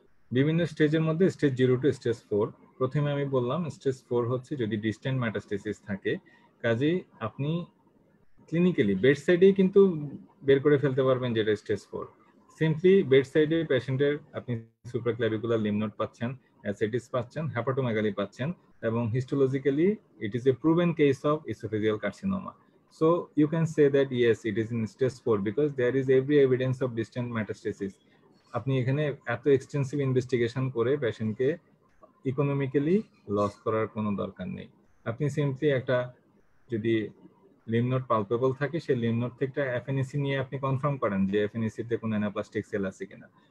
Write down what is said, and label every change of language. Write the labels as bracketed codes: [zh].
[bn] বিভিন্ন স্টেজের মধ্যে stage zero two stage four, প্রথমে আমি বললাম স্টেজ ফোর হচ্ছে যদি ডিস্টেন্ট মেটাস্টেসিস থাকে, কাজেই আপনি ক্লিনিক্যালি বেড সাইডেই কিন্তু বের করে ফেলতে পারবেন যেটা স্টেজ ফোর। সিম্পলি বেড সাইডে পেশেন্টের আপনি সুপ্রাক্লাভিকুলার লিম্ফ নোড পাচ্ছেন, অ্যাসিডিস পাচ্ছেন, হ্যাপাটোমেগালি পাচ্ছেন, এবং histologically [en] It is a proven case of esophageal carcinoma. So you can say that yes, it is in stage 4 because there is every evidence of distant metastasis. [bn] আপনি এখানে এত এক্সটেন্সিভ ইনভেস্টিগেশন করে পেশেন্টকে ইকোনমিক্যালি লস করার কোনো দরকার নেই। আপনি সিম্পলি একটা যদি লিম নোড পালপেবল থাকে, সেই লিম নোড থেকে একটা এফএনএসি নিয়ে আপনি কনফার্ম করেন যে এফএনএসিতে কোনো অ্যানাপ্লাস্টিক সেল আছে কিনা।